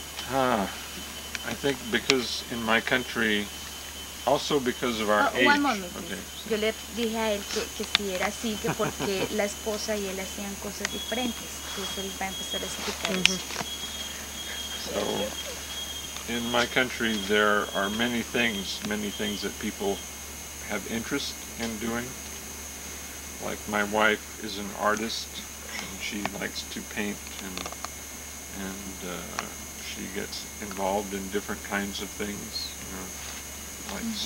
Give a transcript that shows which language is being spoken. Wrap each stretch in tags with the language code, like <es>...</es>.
<en>I think because in my country, also because of our age. One moment, okay.</en> <es>Yo le dije a él que si era así, que porque la esposa y él hacían cosas diferentes. Entonces él va a empezar a explicar eso.</es> <en>So, In my country, there are many things that people have interest in doing. Like my wife is an artist, and she likes to paint, and she gets involved in different kinds of things, you know, like mm-hmm.</en>